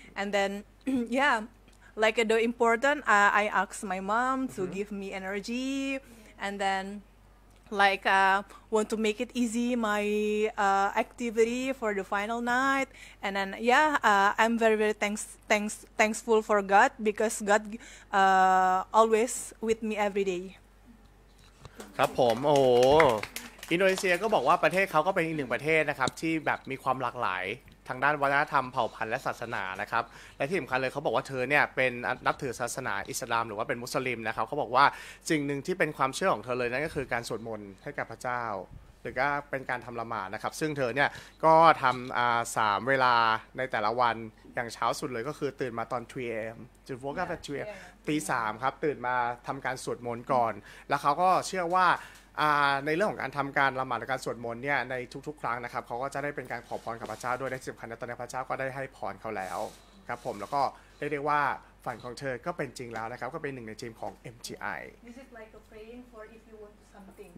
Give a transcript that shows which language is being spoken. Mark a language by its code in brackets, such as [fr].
[en] And then, yeah. Like the important, I ask my mom to mm-hmm. give me energy, and then like want to make it easy my activity for the final night. And then yeah, I'm very very thankful for God, because God always with me every day. [th] ครับผมโออินโดนีเซียก็บอกว่าประเทศเขาก็เป็นอีกหนึ่งประเทศนะครับที่แบบมีความหลากหลายทางด้านวัฒนธรรมเผ่าพันธุ์และศาสนานะครับและที่สำคัญเลยเขาบอกว่าเธอเนี่ยเป็นนับถือศาสนาอิสลามหรือว่าเป็นมุสลิมนะครับเขาบอกว่าสิ่งหนึ่งที่เป็นความเชื่อของเธอเลยนั่นก็คือการสวดมนต์ให้กับพระเจ้าหรือก็เป็นการทำละหมาดนะครับซึ่งเธอเนี่ยก็ทำสามเวลาในแต่ละวันอย่างเช้าสุดเลยก็คือตื่นมาตอน 3 a.m. จุดวัวกับจุดตีสามครับตื่นมาทำการสวดมนต์ก่อนแล้วเขาก็เชื่อว่าในเรื่องของการทำการละหมาดและการสวดมนต์เนี่ยในทุกๆครั้งนะครับเขาก็จะได้เป็นการขอพรกับพระเจ้าด้วยและสิ่งสำคัญตอนนี้พระเจ้าก็ได้ให้พรเขาแล้วครับผมแล้วก็ได้เรียกว่าฝันของเธอก็เป็นจริงแล้วนะครับก็เป็นหนึ่งในทีมของ MGI [en] This is like a praying for if you want something